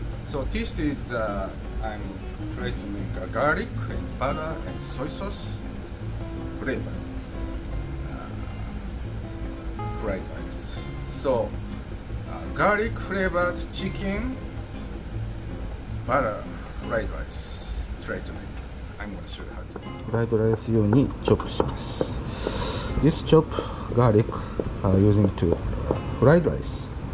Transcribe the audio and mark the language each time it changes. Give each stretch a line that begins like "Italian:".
English: So this is I'm trying to make garlic and butter and soy sauce flavor. Fried rice. So, garlic flavored chicken, butter fried rice. Try to make. I'm gonna show you how to make.
Japanese: Fried rice 用にチョップします。
English: This chop garlic using to fried rice.